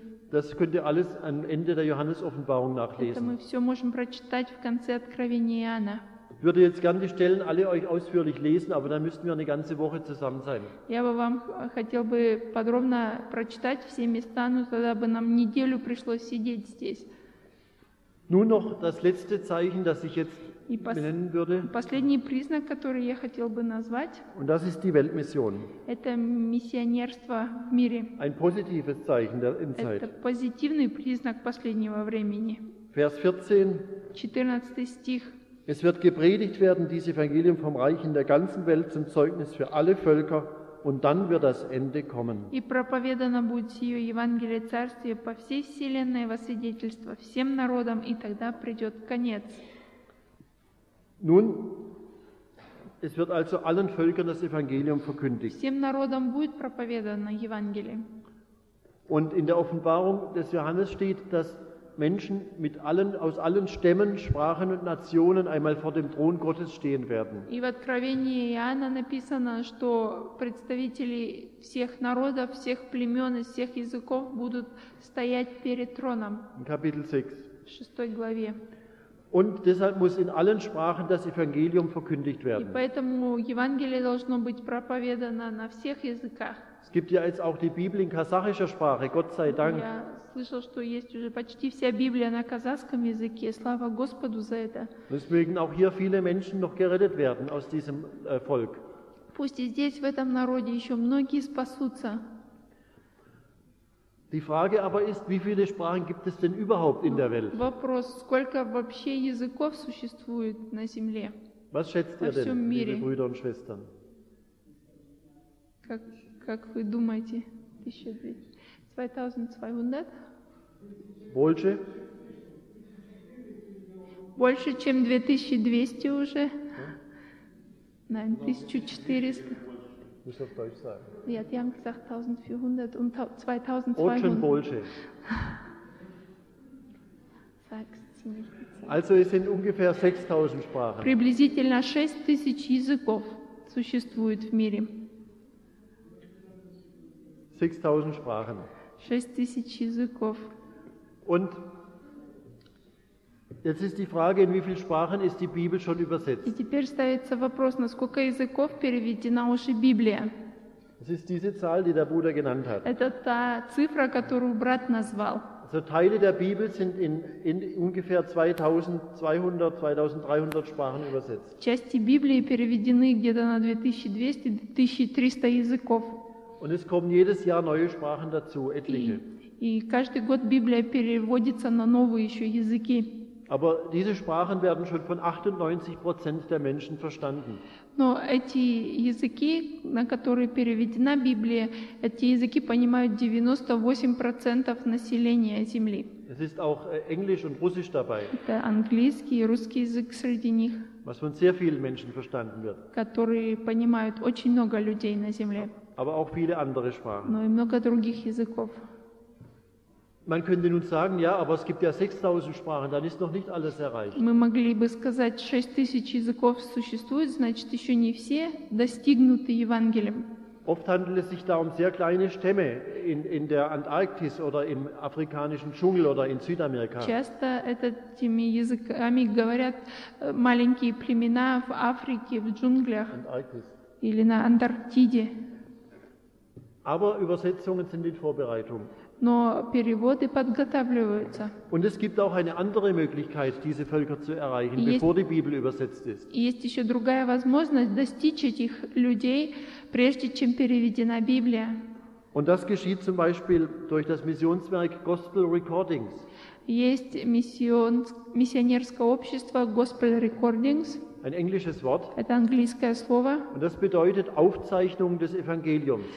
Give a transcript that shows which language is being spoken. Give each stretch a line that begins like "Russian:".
German: Das könnt ihr alles am Ende der Johannes-Offenbarung nachlesen. Ich würde jetzt gerne die Stellen alle euch ausführlich lesen, aber dann müssten wir eine ganze Woche zusammen sein.
Russian: Я бы вам хотел бы подробно прочитать все места, но тогда бы нам неделю пришлось сидеть здесь.
German: Nur noch das letzte Zeichen, das ich jetzt benennen würde.
Russian: Последний признак, который я хотел бы назвать.
German: Und das ist die Weltmission.
Russian: Это миссионерство в мире.
German: Ein positives Zeichen der Endzeit.
Russian: Это позитивный признак последнего времени.
German: Vers 14.
Russian: 14. Стих.
German: Es wird gepredigt werden, dieses Evangelium vom Reich in der ganzen Welt zum Zeugnis für alle Völker, und dann wird das Ende kommen.
Russian: И проповедано будет сие Евангелие Царствия по всей вселенной во свидетельство всем народам, и тогда придет конец.
German: Nun, es wird also allen Völkern das Evangelium verkündigt.
Russian: Всем народам будет проповедано Евангелие.
German: Und in der Offenbarung des Johannes steht, dass Menschen mit allen, aus allen Stämmen, Sprachen und Nationen einmal vor dem Thron Gottes stehen werden.
Russian: И в Откровении Иоанна написано, что представители всех народов, всех племен и всех языков будут стоять перед троном.
German: In Kapitel 6.
Russian: В шестой главе.
German: Und deshalb muss in allen Sprachen das Evangelium verkündigt werden.
Russian: И поэтому Евангелие должно быть проповедано на всех языках.
German: Es gibt ja jetzt auch die Bibel in kasachischer Sprache, Gott sei Dank.
Russian: Я слышал, что есть уже почти вся Библия на казахском языке, слава Господу за это.
German: Es mögen auch hier viele Menschen noch gerettet werden aus diesem Volk.
Russian: Пусть и здесь, в этом народе, еще многие спасутся.
German: Die Frage aber ist, wie viele Sprachen gibt es denn überhaupt in der Welt?
Russian: Вопрос, сколько вообще языков существует на земле?
German: Was schätzt ihr denn, liebe Brüder und Schwestern?
Russian: Как вы думаете, 2200? Больше? Больше, чем 2200 уже?
German: Nein, 1400. Du musst auf Deutsch sagen. Ja, die haben gesagt 1400 und 2200.
Russian: Очень больше.
German: Sagst du nicht. Also es sind ungefähr 6000 Sprachen.
Russian: Приблизительно 6000 языков существует в мире.
German: 6000 Sprachen.
Russian: 6000 языков.
German: Und jetzt ist die Frage, in wie vielen Sprachen ist die Bibel schon übersetzt?
Russian: И теперь ставится вопрос, на сколько языков переведена уже Библия?
German: Es ist diese Zahl, die der Bruder genannt hat.
Russian: Это та цифра, которую брат назвал.
German: Also Teile der Bibel sind in ungefähr 2200-2300 Sprachen übersetzt.
Russian: Части Библии переведены где-то на 2200-2300 языков.
German: Und es kommen jedes Jahr neue Sprachen dazu, etliche.
Russian: И каждый год Библия переводится на новые еще языки.
German: Aber diese Sprachen werden schon von 98% der Menschen verstanden.
Russian: Но эти языки, на которые переведена Библия, эти языки понимают 98% населения Земли.
German: Es ist auch Englisch und Russisch dabei.
Russian: Это английский и русский язык среди них.
German: Was von sehr vielen Menschen verstanden wird.
Russian: Которые понимают очень много людей на Земле.
German: Aber auch viele andere Sprachen.
Russian: Но и много других языков.
German: Man könnte nun sagen, ja, aber es gibt ja 6000 Sprachen, dann ist noch nicht alles erreicht.
Russian: Мы могли бы сказать, 6000 языков существует, значит, еще не все достигнуты Евангелием.
German: Oft handelt es sich da um sehr kleine Stämme in der Antarktis oder im afrikanischen Dschungel oder in Südamerika.
Russian: Часто этими языками говорят маленькие племена в Африке, в джунглях.
German: Antarktis.
Russian: Или на Антарктиде.
German: Aber Übersetzungen sind in Vorbereitung.
Russian: Но переводы подготавливаются.
German: Und es gibt auch eine andere Möglichkeit, diese Völker zu erreichen, bevor die Bibel übersetzt ist.
Russian: Есть еще другая возможность достичь этих людей, прежде чем переведена Библия.
German: Und das geschieht zum Beispiel durch das Missionswerk Gospel Recordings.
Russian: Есть миссионерское общество Gospel Recordings.
German: Ein englisches Wort.
Russian: Это английское слово.
German: Und das bedeutet Aufzeichnung des Evangeliums.